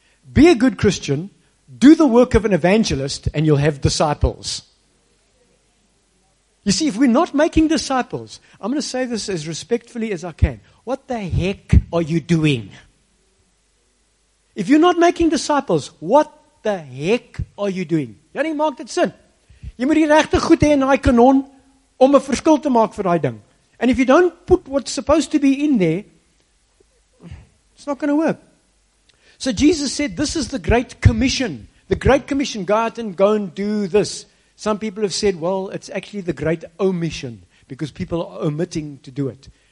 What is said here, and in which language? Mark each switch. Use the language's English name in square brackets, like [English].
[English] Be a good Christian. Do the work of an evangelist, and you'll have disciples. You see, if we're not making disciples, I'm going to say this as respectfully as I can. What the heck are you doing? If you're not making disciples, what the heck are you doing? [Afrikaans] Jy nie maak dit sin. Jy moet die regte goed hê in daai kanon om 'n verskil te maak vir daai ding. [English] And if you don't put what's supposed to be in there, it's not going to work. So Jesus said, this is the great commission. The great commission, go out and go and do this. Some people have said, well, it's actually the great omission because people are omitting to do it.